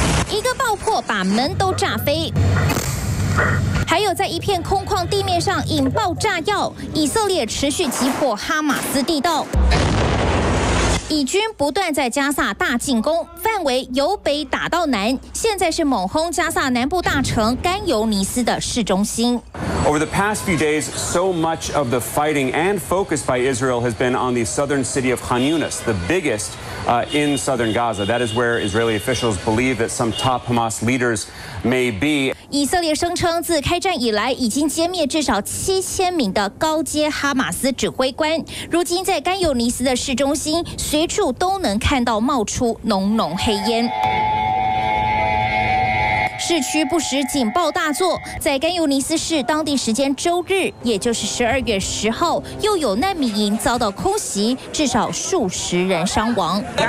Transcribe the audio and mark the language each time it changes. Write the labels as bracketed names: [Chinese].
[Chinese] 一个爆破把门都炸飞，还有在一片空旷地面上引爆炸药，以色列持续击破哈马斯地道，以军不断在加萨大进攻，范围由北打到南，现在是猛轰加萨南部大城甘尤尼斯的市中心。 [English] Over the past few days, so much of the fighting and focus by Israel has been on the southern city of Khan Yunis, the biggest in southern Gaza. That is where Israeli officials believe that some top Hamas leaders may be. [Chinese] 以色列声称，自开战以来已经歼灭至少7000名的高阶哈马斯指挥官，如今在甘尤尼斯的市中心，随处都能看到冒出浓浓黑烟。市区不时警报大作，在甘尤尼斯市当地时间周日，也就是12月10号，又有难民营遭到空袭，至少10人伤亡。